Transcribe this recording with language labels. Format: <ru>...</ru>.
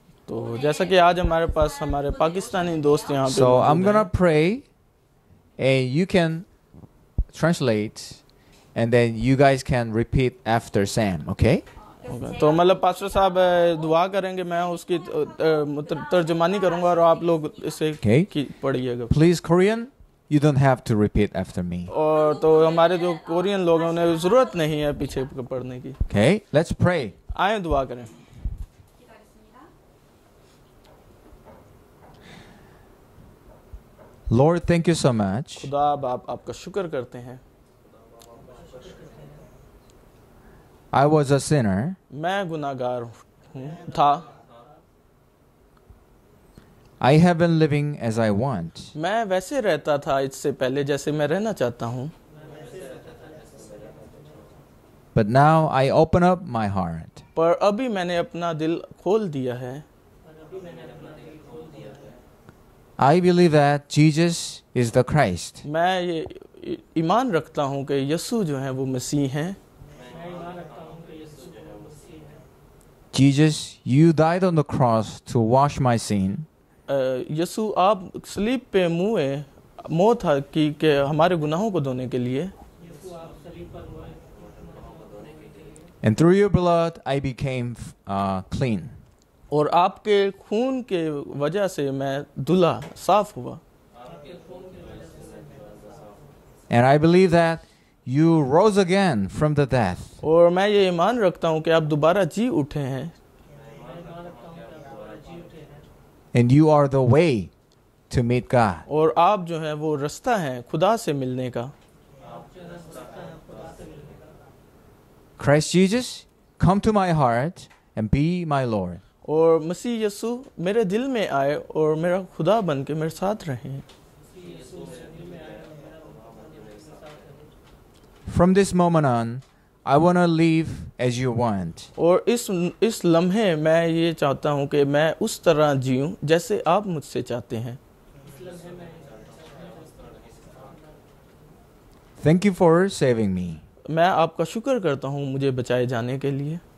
<ur>تو جیسا کہ آج ہمارے پاس ہمارے پاکستانی دوست یہاں پہ.</ur> <en>So I'm gonna pray and you can translate and then you guys can repeat after Sam, okay?</en> <ur>تو مطلب پاسٹر صاحب دعا کریں گے میں اس کی ترجمانی کروں گا اور آپ لوگ اسے پڑھیے گا.</ur> <en>Please Korean, you don't have to repeat after me.</en> <ur>اور تو ہمارے جو کورین لوگ ہیں انہیں ضرورت نہیں ہے پیچھے پڑھنے کی.</ur> <en>Okay, let's pray.</en> <ur>آئیں دعا کریں.</ur> <en>Lord, thank you so much.</en> <ur>خدا باپ آپ کا شکر کرتے ہیں.</ur> <en>I was a sinner.</en> <ur>میں گناہگار تھا.</ur> <en>I have been living as I want.</en> <ur>میں ویسے رہتا تھا اس سے پہلے جیسے میں رہنا چاہتا ہوں.</ur> <en>But now I open up my heart.</en> <ur>پر ابھی میں نے اپنا دل کھول دیا ہے.</ur> <en>I believe that Jesus is the Christ.</en> <ur>میں ایمان رکھتا ہوں کہ یسوع جو ہیں وہ مسیح ہیں.</ur> <en>Jesus, you died on the cross to wash my sin.</en> <ur>یسوع آپ صلیب پہ موئے موت کی کہ ہمارے گناہوں کو دھونے کے لیے.</ur> <en>And through your blood I became clean.</en> <ur>اور آپ کے خون کے وجہ سے میں دھلا صاف ہوا.</ur> <en>And I believe that you rose again from the death.</en> <ur>اور میں یہ ایمان رکھتا ہوں کہ آپ دوبارہ جی اٹھے ہیں.</ur> <en>And you are the way to meet God.</en> <ur>اور آپ جو ہیں وہ راستہ ہیں خدا سے ملنے کا.</ur> <en>Christ Jesus, come to my heart and be my Lord.</en> <ur>اور مسیح یسوع میرے دل میں آئے اور میرا خدا بن کے میرے ساتھ رہیں.</ur> <en>From this moment on, I want to live as you want.</en> <ur>اور اس لمحے میں یہ چاہتا ہوں کہ میں اس طرح جیوں جیسے آپ مجھ سے چاہتے ہیں.</ur> <en>Thank you for saving me.</en> <ur>میں آپ کا شکر کرتا ہوں مجھے بچائے جانے کے لیے.</ur>